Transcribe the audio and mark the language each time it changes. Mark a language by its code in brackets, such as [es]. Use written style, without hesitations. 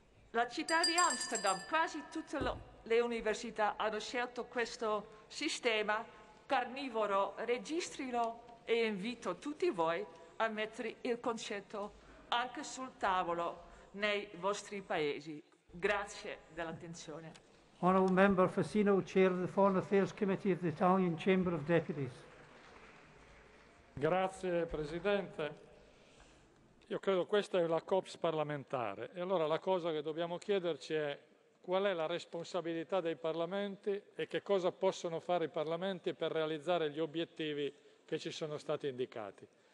[it] La città di Amsterdam, quasi tutte le università hanno scelto questo sistema carnivoro. Registrilo e invito tutti voi a mettere il concetto anche sul tavolo nei vostri paesi. Grazie dell'attenzione. [en] Honourable Member Fassino, Chair of the Foreign Affairs Committee of the Italian Chamber of Deputies. [it] Grazie Presidente. Io credo questa è la COPS parlamentare e allora la cosa che dobbiamo chiederci è qual è la responsabilità dei parlamenti e che cosa possono fare i parlamenti per realizzare gli obiettivi che ci sono stati indicati.